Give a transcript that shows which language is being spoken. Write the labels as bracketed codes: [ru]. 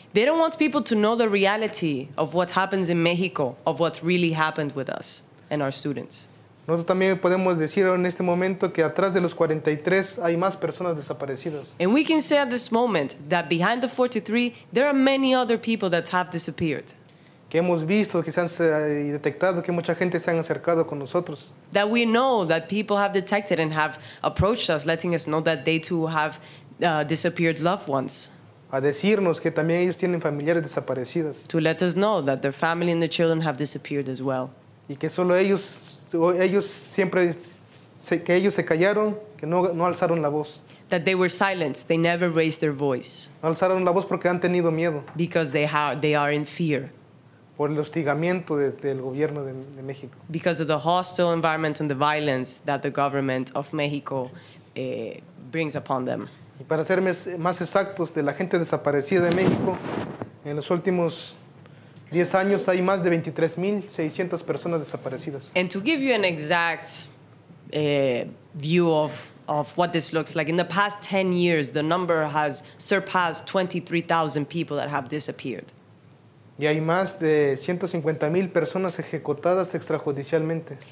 [en] They don't want people to know the reality of what happens in Mexico, of what really happened with us and our students. [es] Nosotros también podemos decir en este momento que atrás de los 43 hay más personas desaparecidas. [en] And we can say at this moment that behind the 43, there are many other people that have disappeared. [es] Que hemos visto, que se han detectado, que mucha gente se han acercado con nosotros. [en] That we know that people have detected and have approached us, letting us know that they too have disappeared loved ones. [es] A decirnos que también ellos tienen familiares desaparecidos. [en] To let us know that their family and their children have disappeared as well. [es] Y que solo ellos siempre, que ellos se callaron, que no alzaron la voz. [en] That they were silenced, they never raised their voice. [es] No alzaron la voz porque han tenido miedo. [en] Because they are in fear. [es] Por el hostigamiento del gobierno de México. [en] Because of the hostile environment and the violence that the government of Mexico brings upon them. [es] Y para ser más exactos, de la gente desaparecida de México, en los últimos 10 años hay más de 23,600 personas desaparecidas. [en] And to give you an exact view of what this looks like, in the past 10 years, the number has surpassed 23,000 people that have disappeared. [es] Y hay más de 150,000 personas ejecutadas extrajudicialmente.